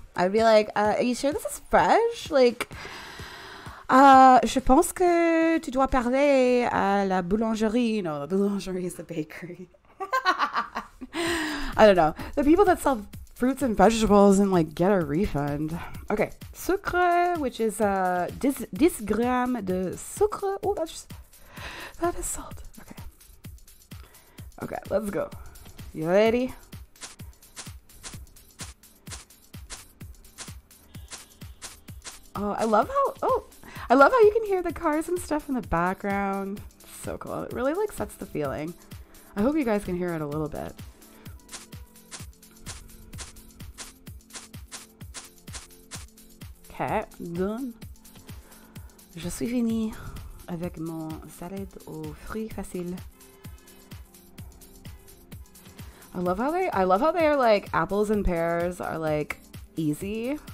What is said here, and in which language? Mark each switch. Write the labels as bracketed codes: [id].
[en] I'd be like, are you sure this is fresh? Like, [fr] je pense que tu dois parler à la boulangerie. [en] No, the boulangerie is the bakery. I don't know. The people that sell fruits and vegetables and like get a refund. Okay. Sucre, which is 10 grams de sucre. Oh, that is salt. Okay. Okay, let's go. You ready? Oh, I love how you can hear the cars and stuff in the background. It's so cool. It really like sets the feeling. I hope you guys can hear it a little bit. Okay, done. [fr] Je suis fini avec mon salad au fruit facile. [en] I love how they are like apples and pears are like easy.